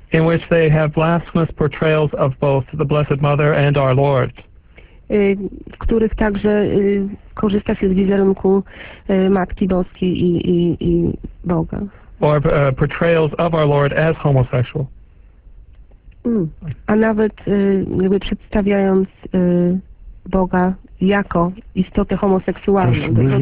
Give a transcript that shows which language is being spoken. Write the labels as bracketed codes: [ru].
[en] In which they have blasphemous portrayals of both the Blessed Mother and Our Lord. [pl] W których także korzysta się z wizerunku Matki Boskiej i Boga. [en] Or portrayals of our Lord as homosexual. [pl] A nawet jakby przedstawiając Boga jako istotę homoseksualną.